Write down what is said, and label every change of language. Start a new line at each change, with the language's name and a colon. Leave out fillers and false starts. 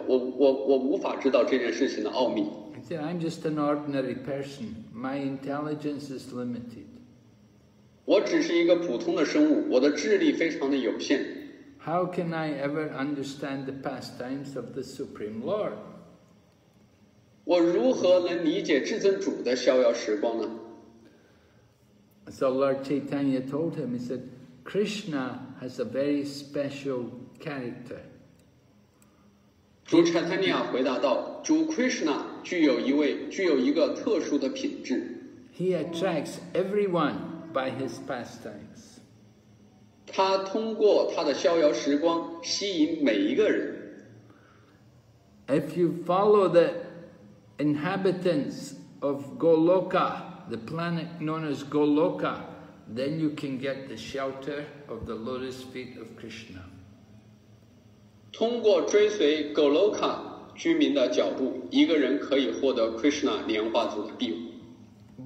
Chinese: 我无法知道这件事情的奥秘。
English: He said, "I'm just an ordinary person. My intelligence is limited."
Chinese: 我只是一个普通的生物，我的智力非常的有限。
English: How can I ever understand the pastimes of the Supreme Lord?
Chinese: 我如何能理解至尊主的逍遥时光呢？
English: So Lord Chaitanya told him, he said, Krishna has a very special character.
Chinese: 主 Chaitanya 回答道，主 Krishna 具有一个特殊的品质。
English: He attracts everyone by his pastimes.
Chinese: 他通过他的逍遥时光吸引每一个人。
English: If you follow the inhabitants of Goloka, the planet known as Goloka, then you can get the shelter of the lotus feet of Krishna.
Chinese: 通过追随 Goloka 居民的脚步，一个人可以获得 Krishna 莲花座的庇护。